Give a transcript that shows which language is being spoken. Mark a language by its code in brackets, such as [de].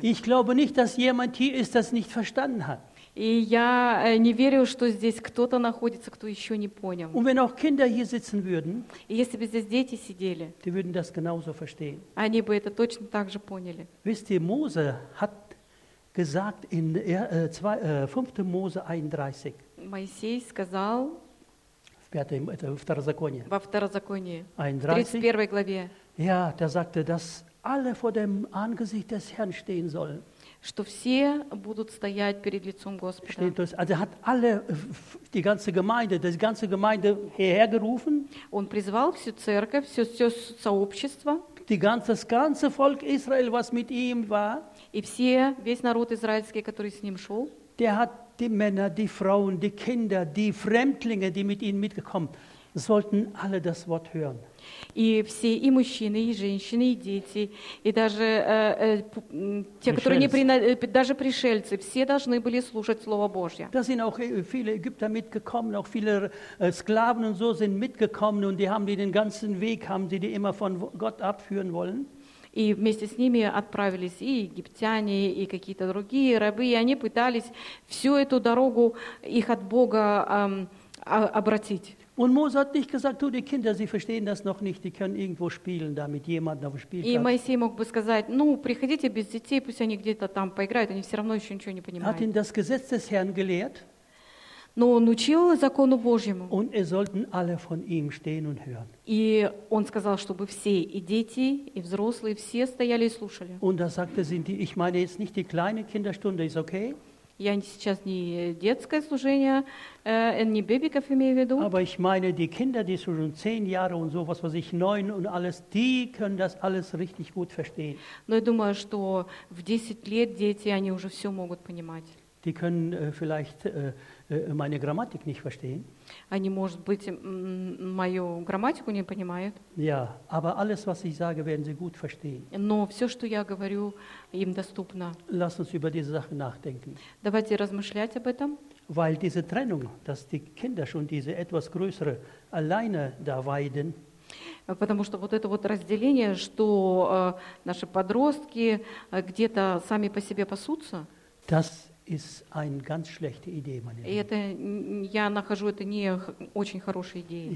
[de] Ich glaube nicht, dass jemand hier ist, das nicht verstanden hat. [ru] И я не верю, что здесь кто-то находится, кто еще не понял. [de] Und wenn auch Kinder hier sitzen würden, [ru] и если бы здесь дети сидели, [de] die würden das genauso verstehen. [ru] Они бы это точно так же поняли. [de] Wisst ihr, Mose hat gesagt in 5. Mose 31. [ru] Моисей сказал в пятом это во второзаконии. Во второзаконии. 31 главе. [de] Ja, da sagte, dass alle vor dem Angesicht des Herrn stehen sollen. [ru] Что все будут стоять перед лицом Господа. [de] Also hat alle die ganze Gemeinde, das ganze Gemeinde hergerufen. [ru] Он призвал всю церковь, всё сообщество. [de] Die ganze, das ganze Volk Israel, was mit ihm war. [ru] И все, весь народ израильский, который с ним шел. [de] Der hat die Männer, die Frauen, die Kinder, die Fremdlinge, die mit ihnen mitgekommen, sollten alle das Wort hören. [ru] И все, и мужчины, и женщины, и дети, и даже те, которые не даже пришельцы, все должны были слушать Слово Божье. [de] Da sind auch viele Ägypter mitgekommen, auch viele Sklaven und so sind mitgekommen und die haben die den ganzen Weg, haben sie die immer von Gott abführen wollen. [ru] И вместе с ними отправились и египтяне, и какие-то другие рабы, и они пытались всю эту дорогу их от Бога обратить. [de] Und Mose hat nicht gesagt, du, die Kinder, sie verstehen das noch nicht, die können irgendwo spielen, da mit jemandem auf dem Spielplatz. [ru] И Моисей мог бы сказать, ну, приходите без детей, пусть они где-то там поиграют, они все равно еще ничего не понимают. [de] Hat ihn das Gesetz des Herrn gelehrt? [ru] Но он учил закону Божьему. [de] Und es sollten alle von ihm stehen und hören. [ru] И он сказал, чтобы все, и дети, и взрослые, все стояли и слушали. [de] Und da sagte sie, ich meine jetzt nicht die kleine Kinderstunde, ist okay? [ru] Я сейчас не детское служение, не бебиков имею в виду. [de] Aber ich meine die Kinder, die sind schon 10 Jahre und sowas, was ich 9 und alles, die können das alles richtig gut verstehen. [ru] Но я думаю, что в 10 лет дети, они уже все могут понимать. [de] Die können vielleicht meine Grammatik nicht verstehen. [ru] Они, может быть, мою грамматику не понимают. [de] Ja, aber alles, was ich sage, werden sie gut verstehen. [ru] Но все, что я говорю, им доступно. [de] Lass uns über diese Sache nachdenken. [ru] Давайте размышлять об этом. [de] Weil diese Trennung, dass die Kinder schon diese etwas größere alleine da weiden. [ru] Потому что вот это вот разделение, что наши подростки где-то сами по себе пасутся. [de] Das ist eine ganz schlechte Idee, meine Lieben. [ru] Я нахожу это не очень хорошей идеей.